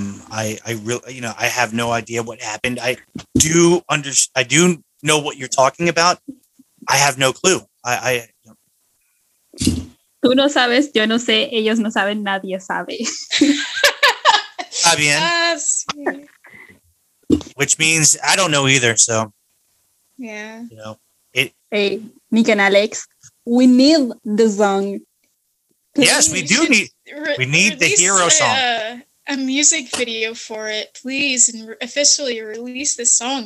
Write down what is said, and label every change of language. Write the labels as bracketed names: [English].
[English] I have no idea what happened. I do know what you're talking about. I have no clue. I [Spanish] tú no sabes, yo no sé, ellos no saben, nadie sabe. Está bien. [English] Which means I don't know either. So, yeah, you know, it. Hey, Nick and Alex, we need the song. Please. Yes, we do need. We need the hero song. A music video for it, please, and officially release this song.